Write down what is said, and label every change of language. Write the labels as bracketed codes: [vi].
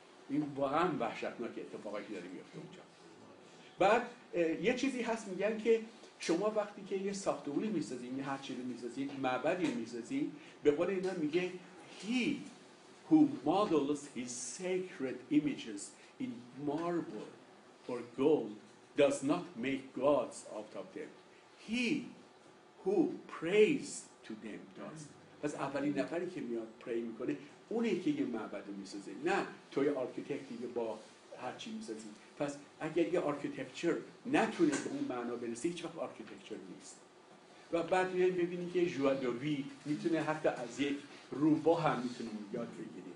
[fa] این واقعا وحشتناکه اتفاقایی که داره میفته اونجا. بعد یه چیزی هست میگن که شما وقتی که یه ساختمونی میسازید، یه هرچی رو میسازید، معبدی رو میسازید، به قول اینا میگه [en] he who models his sacred images in marble or gold does not make gods out of them. He who prays to them does. [fa] پس اولین نفری که میاد پری میکنه اونه که یه معبد رو میسازه، نه تو یه آرکیتکتی که با هرچی میسازی. پس اگر یه آرکیتکچر نتونه به اون معنا برسه هیچ وقت آرکیتکچر نیست. و بعد ببینید که جوادوی میتونه حتی از یک روبا هم میتونه یاد بگیره.